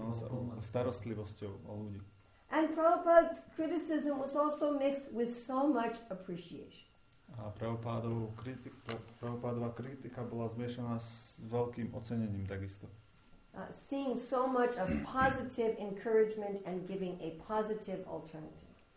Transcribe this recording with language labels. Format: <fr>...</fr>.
<sk>No, starostlivosťou o ľudí.</sk> <en>And Prabhupada's criticism was also mixed with so much appreciation.</en> <sk>A Prabhupádova kritika bola zmiešaná s veľkým ocenením takisto.</sk> <en>Seeing so much of positive encouragement and giving a positive alternative.</en>